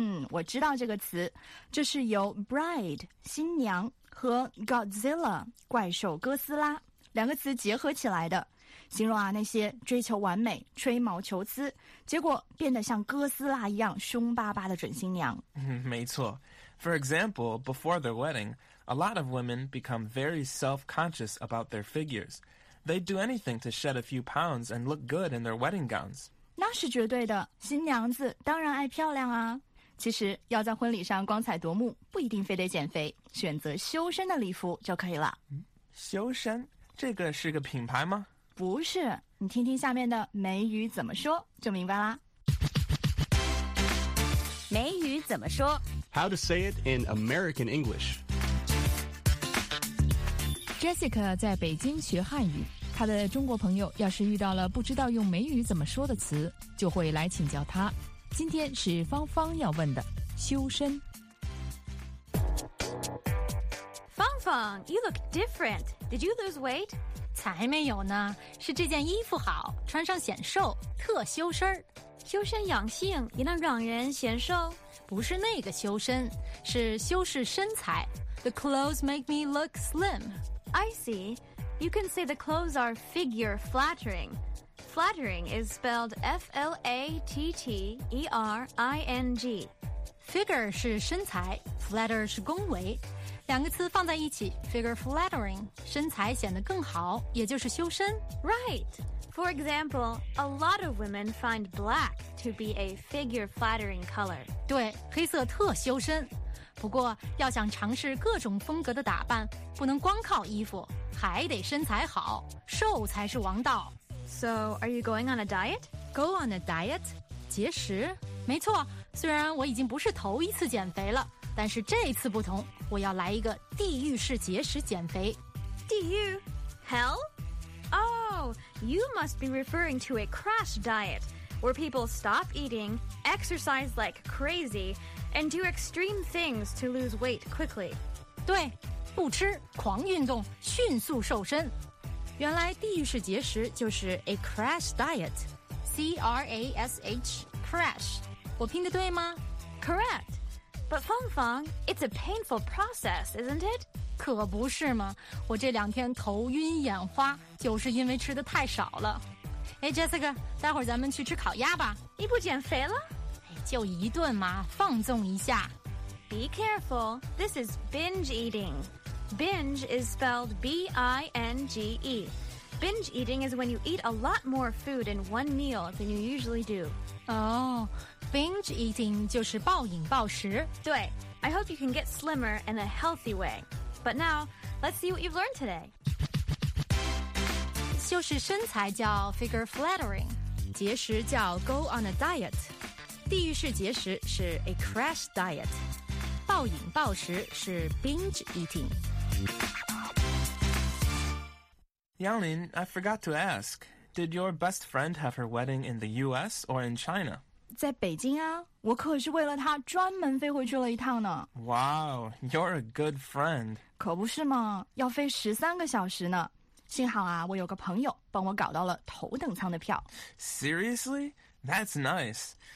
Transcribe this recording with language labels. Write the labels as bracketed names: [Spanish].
[Chinese] 我知道这个词，这是由 bride 新娘和 Godzilla 怪兽哥斯拉两个词结合起来的，形容啊那些追求完美、吹毛求疵，结果变得像哥斯拉一样凶巴巴的准新娘。没错。 [English] For example, before their wedding, a lot of women become very self-conscious about their figures. They'd do anything to shed a few pounds and look good in their wedding gowns. [Chinese] 那是绝对的，新娘子当然爱漂亮啊。其实要在婚礼上光彩夺目，不一定非得减肥，选择修身的礼服就可以了。修身？这个是个品牌吗？不是，你听听下面的美语怎么说就明白啦。美语怎么说？ [English] How to say it in American English. [Chinese] Jessica 在北京学汉语，她的中国朋友要是遇到了不知道用美语怎么说的词，就会来请教她。今天是芳芳要问的修身。 [English] 芳芳， you look different. Did you lose weight? [Chinese] 才没有呢，是这件衣服好，穿上显瘦，特修身。修身养性也能让人显瘦？不是那个修身，是修饰身材。 [English] The clothes make me look slim. I see. You can say the clothes are figure flattering. Flattering is spelled F-L-A-T-T-E-R-I-N-G. [Chinese] Figure 是身材， flatter 是恭维。两个词放在一起 ，figure flattering， 身材显得更好，也就是修身。 [English] Right. For example, a lot of women find black to be a figure flattering color. [Chinese] 对，黑色特修身。不过要想尝试各种风格的打扮，不能光靠衣服，还得身材好，瘦才是王道。 [English] So are you going on a diet? Go on a diet? 节食？ [Chinese] 没错，虽然我已经不是头一次减肥了，但是这次不同，我要来一个地狱式节食减肥。地狱？Hell? [English] Oh, you must be referring to a crash dietWhere people stop eating, exercise like crazy, and do extreme things to lose weight quickly. [Chinese] 对，不吃，狂运动，迅速瘦身。原来地狱式节食就是 a crash diet. C-R-A-S-H, crash. 我拼得对吗？ [English] Correct. But Feng Feng, it's a painful process, isn't it? [Chinese] 可不是嘛，我这两天头晕眼花，就是因为吃得太少了。哎 ，Jessica， 待会儿咱们去吃烤鸭吧。你不减肥了？就一顿嘛，放纵一下。 [English] Be careful. This is binge eating. Binge is spelled B-I-N-G-E. Binge eating is when you eat a lot more food in one meal than you usually do. [Chinese] Oh, binge eating 就是暴饮暴食。 [English] 对 ，I hope you can get slimmer in a healthy way. But now, let's see what you've learned today. [Chinese] 就是身材叫 figure flattering， 节食叫 go on a diet， 地狱式节食是 a crash diet， 暴饮暴食是 binge eating。 [English] 杨林 ，I forgot to ask， did your best friend have her wedding in the U.S. or in China？ [Chinese] 在北京啊，我可是为了她专门飞回去了一趟呢。 [English] Wow， you're a good friend。 [Chinese] 可不是嘛，要飞13个小时呢。幸好啊，我有个朋友帮我搞到了头等舱的票。 [English] Seriously? That's nice.